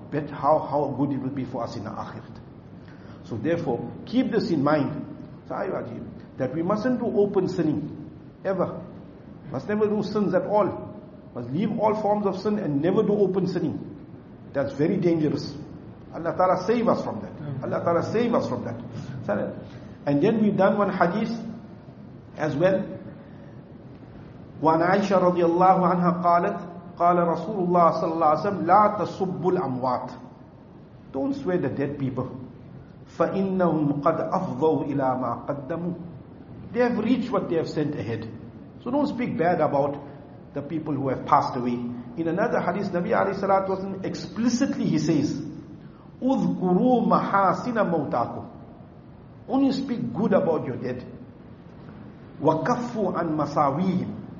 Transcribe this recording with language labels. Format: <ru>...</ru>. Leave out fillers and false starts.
<en>How good it will be for us in the akhirat. So therefore, keep this in mind, that we mustn't do open sinning, ever. Must never do sins at all. Must leave all forms of sin and never do open sinning. That's very dangerous. Allah Ta'ala save us from that. Allah Ta'ala save us from that. And then we've done one hadith as well.</en> <ar>وعن عائشة رضي الله عنها قالت قال رسول الله صلى الله عليه وسلم لا تسبوا الأموات.</ar> <en>Don't swear the dead people.</en> <ar>فإنهم قد أفضوا إلى ما قدموا.</ar> <en>They have reached what they have sent ahead. So don't speak bad about the people who have passed away. In another hadith, Nabi</en> <ar>عليه الصلاة والسلام</ar> <en>explicitly he says,</en> <ar>اذكروا محاسن موتاكم.</ar> <en>Only speak good about your dead.</en> <ar>وكفوا عن مساويهم.</ar>